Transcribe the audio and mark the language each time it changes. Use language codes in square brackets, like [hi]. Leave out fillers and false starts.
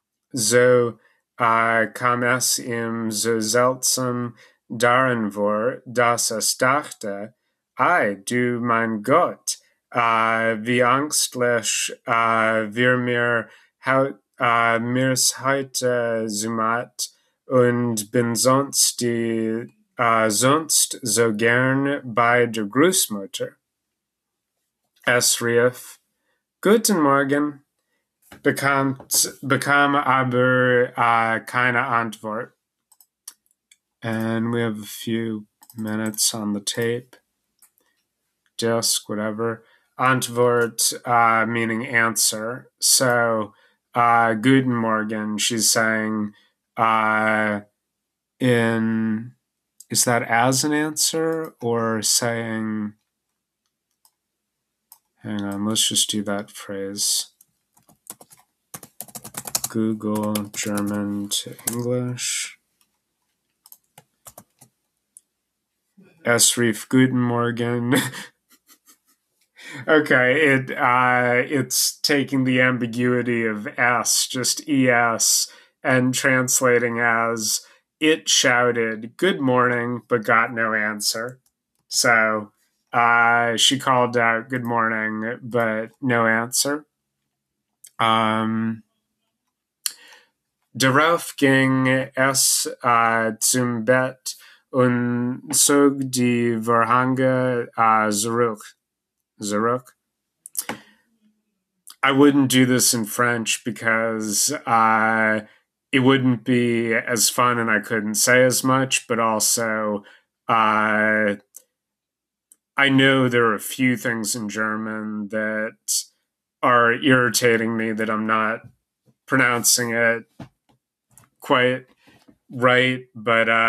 [de] So kam es ihm so seltsam darin vor, dass es dachte, ei, du mein Gott, wie ängstlich wir mir's heute zumat und bin sonst so gern bei der Großmutter. Es rief, guten Morgen, bekam aber keine Antwort. [en] And we have a few minutes on the tape. Disc, whatever. Antwort, meaning answer. So, [de] guten Morgen, [en] she's saying, is that as an answer or saying, hang on, let's just do that phrase. Google German to English. [de] Es rief guten Morgen. [en] Okay, it's taking the ambiguity of S, just ES, and translating as it shouted good morning but got no answer. So she called out good morning but no answer. [de] Darauf ging es zum Bett und zog die Vorhänge zurück. [en] I wouldn't do this in French because it wouldn't be as fun and I couldn't say as much, but also I know there are a few things in German that are irritating me that I'm not pronouncing it quite right, but